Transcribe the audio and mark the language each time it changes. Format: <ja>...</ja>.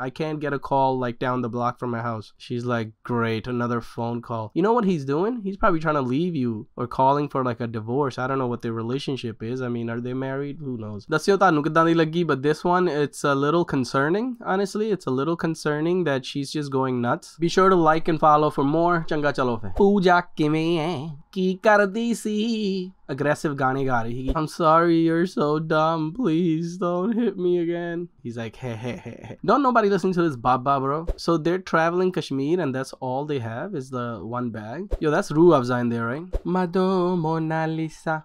<en>I can't get a call like down the block from my house. She's like, great, another phone call. You know what he's doing? He's probably trying to leave you or calling for like a divorce. I don't know what their relationship is. I mean, are they married? Who knows? But this one, it's a little concerning, honestly. It's a little concerning that she's just going nuts. Be sure to like and follow for more.</en> <pa>ਚੰਗਾ ਚਲੋ ਫੇ। ਪੂਜਾ ਕਿਮੇ ਹੈ? ਕੀ ਕਰਦੀ ਸੀ? Aggressive ਗਾਣੇ ਗਾ ਰਹੀ।</pa> <en>I'm sorry, you're so dumb. Please don't hit me again. He's like, hey, hey, hey, hey. Don't nobody listen to this baba, bro. So they're traveling Kashmir and that's all they have is the one bag. Yo, that's Ruh Afza in there, right? Madho Mona Lisa.</en>